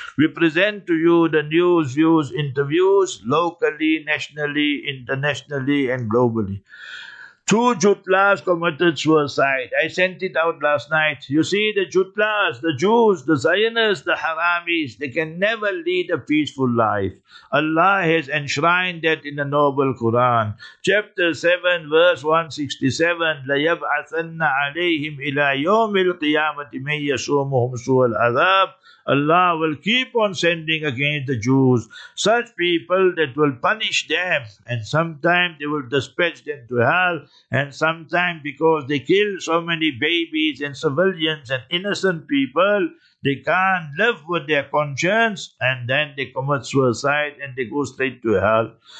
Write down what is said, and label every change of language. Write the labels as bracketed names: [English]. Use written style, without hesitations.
[English] We present to you the news, views, interviews, locally, nationally, internationally, and globally. Two Jutlas committed suicide. I sent it out last night. You see, the Jutlas, the Jews, the Zionists, the Haramis, they can never lead a peaceful life. Allah has enshrined that in the noble Quran. Chapter 7, verse 167, [Arabic] لَيَبْعَثَنَّ عَلَيْهِمْ إِلَىٰ يَوْمِ الْقِيَامَةِ مَنْ يَسُومُهُمْ سُوَ الْعَذَابِ. [English] Allah will keep on sending against the Jews such people that will punish them, and sometimes they will dispatch them to hell, and sometimes because they kill so many babies and civilians and innocent people, they can't live with their conscience, and then they commit suicide and they go straight to hell.